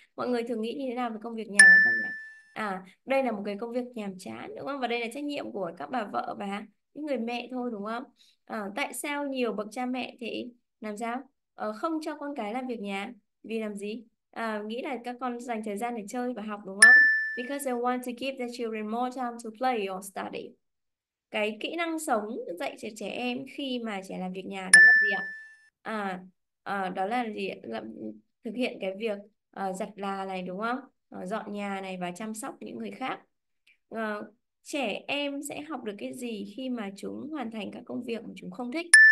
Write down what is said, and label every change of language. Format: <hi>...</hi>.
<vi>Mọi người thường nghĩ như thế nào về công việc nhà các con nhỉ? À, đây là một cái công việc nhàm chán, đúng không? Và đây là trách nhiệm của các bà vợ và những người mẹ thôi, đúng không? À, tại sao nhiều bậc cha mẹ thì làm sao? À, không cho con cái làm việc nhà? Vì làm gì? À, nghĩ là các con dành thời gian để chơi và học, đúng không?</vi> <en>Because they want to give their children more time to play or study.</en> <vi>Cái kỹ năng sống dạy cho trẻ em khi mà trẻ làm việc nhà đó là gì ạ? Đó là gì? Thực hiện cái việc giặt là này, đúng không? Dọn nhà này và chăm sóc những người khác. Trẻ em sẽ học được cái gì khi mà chúng hoàn thành các công việc mà chúng không thích?</vi>